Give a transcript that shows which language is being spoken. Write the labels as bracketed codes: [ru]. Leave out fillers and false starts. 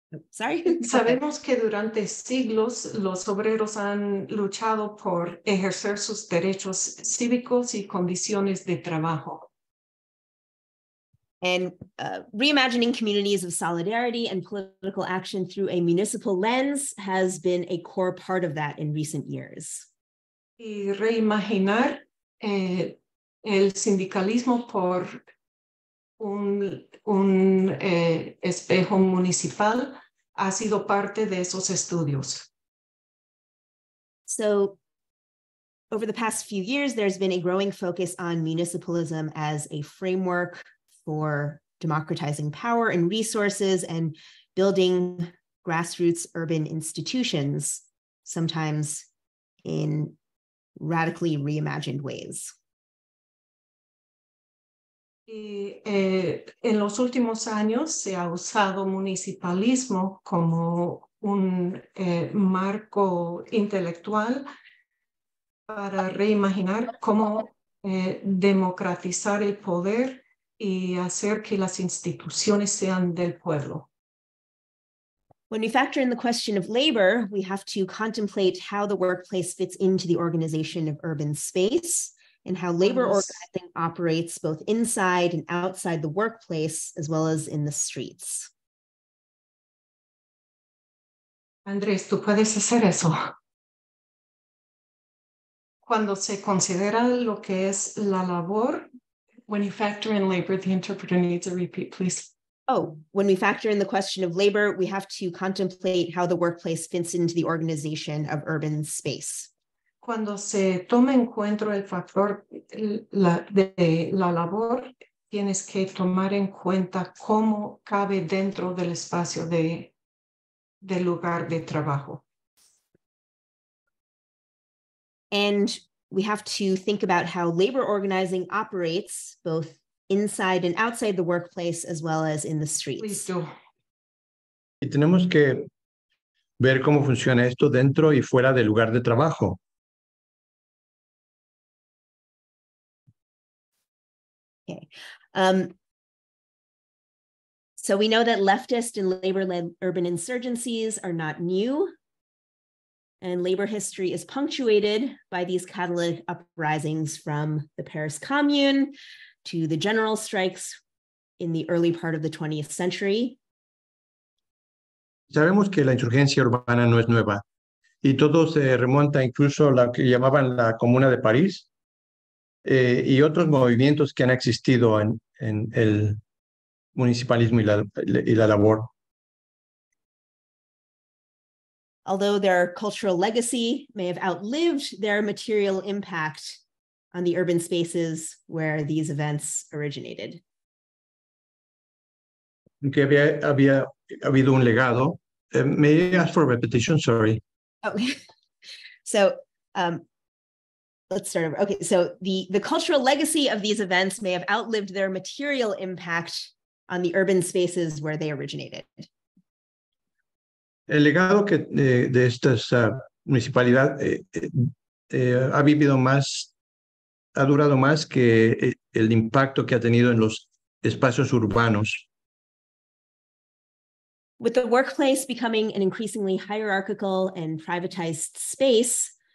[es] Sabemos que durante siglos los obreros han luchado por ejercer sus derechos cívicos y condiciones de trabajo. [en] And reimagining communities of solidarity and political action through a municipal lens has been a core part of that in recent years. [es] Y reimaginar el sindicalismo por un espejo municipal ha sido parte de esos estudios. [en] So, over the past few years, there's been a growing focus on municipalism as a framework for democratizing power and resources and building grassroots urban institutions, sometimes in radically reimagined ways. [es] Y en los últimos años se ha usado municipalismo como un marco intelectual para reimaginar cómo democratizar el poder y hacer que las instituciones sean del pueblo. [en] When we factor in the question of labor, we have to contemplate how the workplace fits into the organization of urban space and how labor organizing operates both inside and outside the workplace, as well as in the streets. [es] Andrés, tú puedes hacer eso. Cuando se considera lo que es la labor. [en] When you factor in labor, the interpreter needs a repeat, please. Oh, when we factor in the question of labor, we have to contemplate how the workplace fits into the organization of urban space. [es] Cuando se toma en cuenta el factor de la labor, tienes que tomar en cuenta cómo cabe dentro del espacio de lugar de trabajo. [en] And we have to think about how labor organizing operates both inside and outside the workplace, as well as in the streets. Please do. [es] Y tenemos que ver cómo funciona esto dentro y fuera del lugar de trabajo. [en] Okay. So we know that leftist and labor-led urban insurgencies are not new, and labor history is punctuated by these catalytic uprisings from the Paris Commune to the general strikes in the early part of the 20th century. [es] Sabemos que la insurgencia urbana no es nueva, y todo se remonta incluso a lo que llamaban la Comuna de París y otros movimientos que han existido en el municipalismo y la labor. [en] Although their cultural legacy may have outlived their material impact on the urban spaces where these events originated. [es] Que había habido un legado. [en] May I ask for repetition? Sorry. Okay. So let's start over. Okay, so the cultural legacy of these events may have outlived their material impact on the urban spaces where they originated. [es] El legado que de estas municipalidad ha vivido más, ha durado más que el impacto que ha tenido en los espacios urbanos. [en] With the workplace becoming an increasingly hierarchical and privatized space,